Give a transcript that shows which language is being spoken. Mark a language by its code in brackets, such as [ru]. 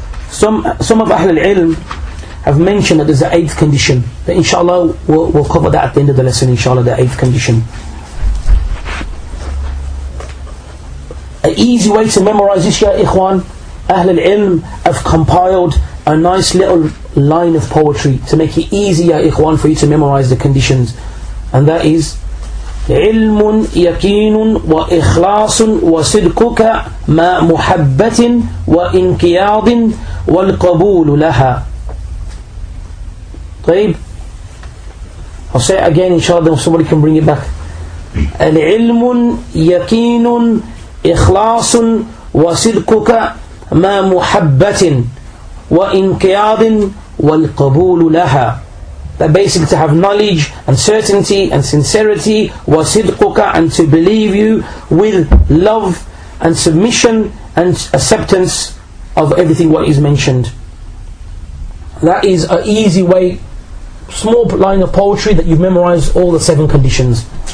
[en] Some of Ahlul Ilm have mentioned that there's an eighth condition, but inshallah we'll cover that at the end of the lesson, inshallah, the eighth condition. An easy way to memorize this, ya ikhwan, Ahlul Ilm have compiled a nice little line of poetry to make it easy, ya ikhwan, for you to memorize the conditions. And that is, [ar] علم يقين وإخلاص وصدقك مع محبة وإنقياد والقبول لها. [en] طيب, I'll say it again, inshallah, if somebody can bring it back. [ar] العلم يقين إخلاص وصدقك مع محبة وإنقياد والقبول لها. [en] That basically to have knowledge and certainty and sincerity, wasidquka, and to believe you with love and submission and acceptance of everything what is mentioned. That is an easy way, small line of poetry, that you've memorized all the seven conditions.